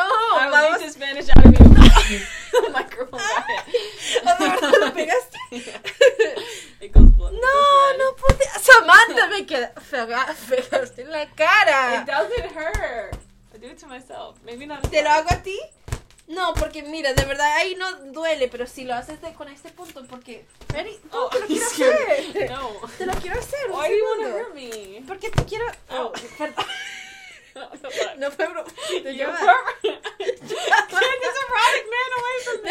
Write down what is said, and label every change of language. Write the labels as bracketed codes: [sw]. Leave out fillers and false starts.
[en] I will need the Spanish out of you. The microphone got it. [es] ¿Lo pegaste? [en] It goes blunt. [es] No, no pude. Samantha, me quedé. Pegaste en la cara. [en] It doesn't hurt. I do it to myself. Maybe not. [es] ¿Te lo hago a ti? No, porque mira, de verdad, ahí no duele, pero si lo haces con este punto, porque... Ready? No, oh, te lo quiero hacer. No. Te lo quiero hacer. [en] Why do you want to hurt me? [es] Porque te quiero... Oh, perdón. No, no fue broma. Te lleva. [en] Get this erotic man away from me.